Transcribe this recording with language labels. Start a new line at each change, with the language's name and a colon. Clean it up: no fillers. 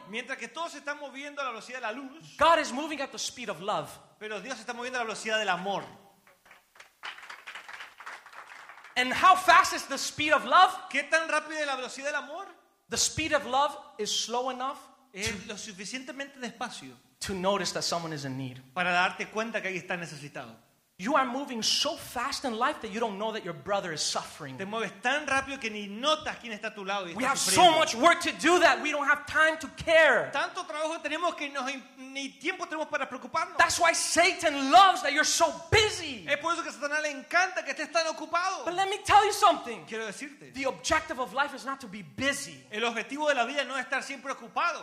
Spanish: mientras que todos están moviendo a la velocidad de la luz,
English: God is moving at the speed of love.
Spanish: Pero Dios está moviendo a la velocidad del amor.
English: And how fast is the speed of love?
Spanish: ¿Qué tan rápido es la velocidad del amor?
English: The speed of love is slow enough
Spanish: lo suficientemente despacio
English: to notice that someone is in need.
Spanish: Para darte cuenta que alguien está necesitado.
English: You are moving so fast in life that you don't know that your brother is suffering.
Spanish: Te mueves tan rápido que ni notas quién está a tu lado y está sufriendo.
English: We have so much work to do that we don't have time to care.
Spanish: Tanto trabajo tenemos que ni tiempo tenemos para preocuparnos.
English: That's why Satan loves that you're so busy.
Spanish: Es por eso que Satanás le encanta que estés tan ocupado.
English: But let me tell you something.
Spanish: Quiero decirte.
English: The objective of life is not to be busy.
Spanish: El objetivo de la vida no es estar siempre ocupado.